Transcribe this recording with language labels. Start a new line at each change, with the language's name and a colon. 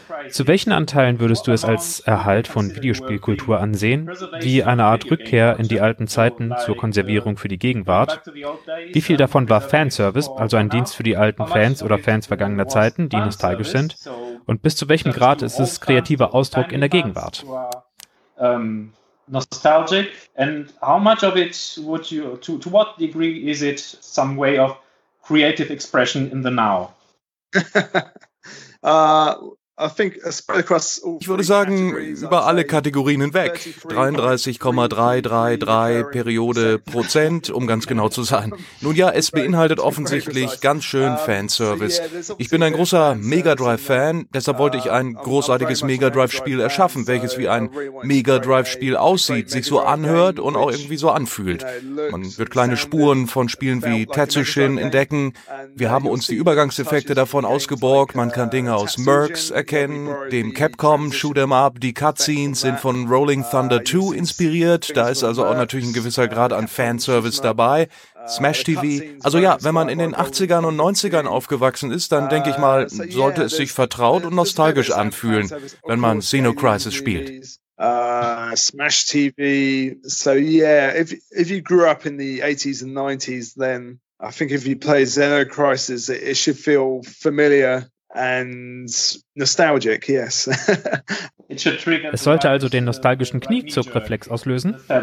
German: Zu welchen Anteilen würdest du es als Erhalt von Videospielkultur ansehen? Wie eine Art Rückkehr in die alten Zeiten zur Konservierung für die Gegenwart? Wie viel davon war Fanservice, also ein Dienst für die alten Fans oder Fans vergangener Zeiten, die nostalgisch sind? Und bis zu welchem Grad ist es kreativer Ausdruck in der Gegenwart?
English: Nostalgic? And how much of it would you, to what degree is it some way of creative expression in the now?
German: Ich würde sagen, über alle Kategorien hinweg. 33,333 Periode Prozent, um ganz genau zu sein. Nun ja, es beinhaltet offensichtlich ganz schön Fanservice. Ich bin ein großer Mega Drive-Fan, deshalb wollte ich ein großartiges Mega Drive-Spiel erschaffen, welches wie ein Mega Drive-Spiel aussieht, sich so anhört und auch irgendwie so anfühlt. Man wird kleine Spuren von Spielen wie Tetsushin entdecken. Wir haben uns die Übergangseffekte davon ausgeborgt. Man kann Dinge aus Mercs erkennen, dem Capcom Shoot'em Up, die Cutscenes sind von Rolling Thunder 2 inspiriert, da ist also auch natürlich ein gewisser Grad an Fanservice dabei, Smash TV, also ja, wenn man in den 80ern und 90ern aufgewachsen ist, dann denke ich mal, sollte es sich vertraut und nostalgisch anfühlen, wenn man Xenocrisis spielt.
English: Smash TV, so yeah, if you grew up in the 80s and 90s, then I think if you play Xenocrisis, it should feel familiar. And nostalgic, yes.
German: Es sollte also den nostalgischen Kniezuckreflex auslösen.